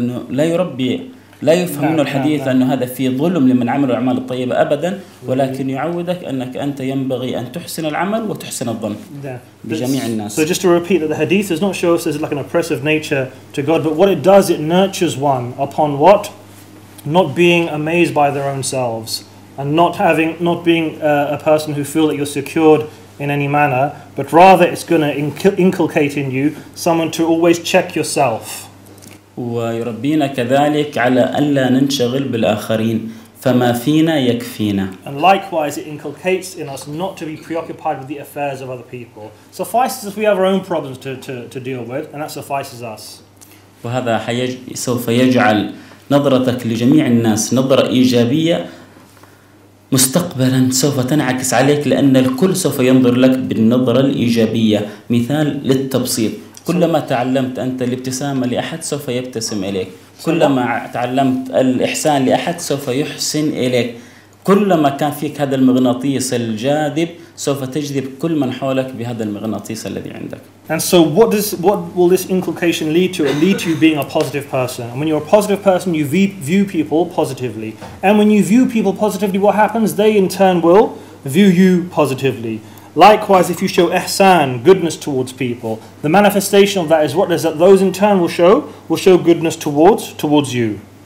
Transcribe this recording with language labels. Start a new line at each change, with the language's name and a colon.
Arabic: لا يربي لا يفهمون الحديث أن هذا في ظلم لمن عمل الأعمال الطيبة أبدا ولكن يعودك أنك أنت ينبغي أن تحسن العمل وتحسن الظن بجميع الناس.
English: So just to repeat that the hadith does not show us as like an oppressive nature to God, but what it does, it nurtures one upon what? Not being amazed by their own selves and not being a person who feel that you're secured in any manner, but rather it's going to inculcate in you someone to always check yourself.
Arabic: ويربينا كذلك على ألا ننشغل بالآخرين فما فينا يكفينا.
English: And likewise, it inculcates in us not to be preoccupied with the affairs of other people. Suffices if we have our own problems to deal with, and that suffices us.
Arabic: وهذا سوف يجعل نظرتك لجميع الناس نظرة إيجابية مستقبلا سوف تنعكس عليك لأن الكل سوف ينظر لك بالنظرة الإيجابية. مثال للتبسيط. كلما تعلمت أنت الابتسامة لأحد سوف يبتسم إليك. كلما تعلمت الإحسان لأحد سوف يحسن إليك. كلما كان فيك هذا المغناطيس الجاذب سوف تجذب كل من حولك بهذا المغناطيس الذي عندك.
English: And so what will this inculcation lead to? It lead to you being a positive person. And when you're a positive person, you view people positively. And when you view people positively, what happens? They in turn will view you positively. Likewise, if you show ihsan, goodness towards people, the manifestation of that is what is that those in turn will show goodness towards you.